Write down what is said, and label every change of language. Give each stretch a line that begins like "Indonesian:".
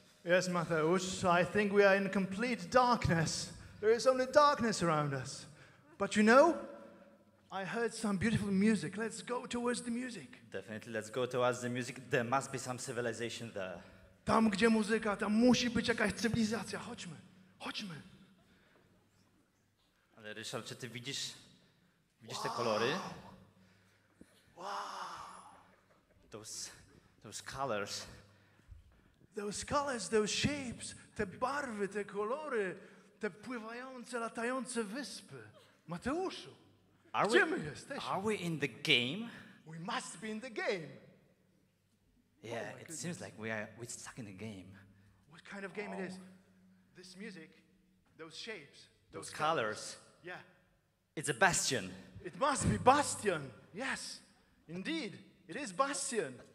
English: Yes, Mateusz, I think we are in complete darkness. There is only darkness around us. But you know, I heard some beautiful music. Let's go towards the music. Definitely, let's go towards the music. There must be some civilization there.
Polish: Tam, gdzie muzyka, tam musi być jakaś cywilizacja. Chodźmy, chodźmy. Ale Ryszard, czy ty widzisz, widzisz wow. te kolory? Wow!
English: Those colors. Those colors, those shapes,
Polish: te barwy, te kolory, te pływające, latające wyspy. Mateuszu, gdzie my jesteśmy?
English: Are we in the game? We must be in the game. Yeah, oh it goodness. Seems like we're stuck in a game. What kind of game oh. it is? This music, those shapes, those colors. Yeah. It's a bastion. It must be Bastion. Yes, indeed, it is Bastion.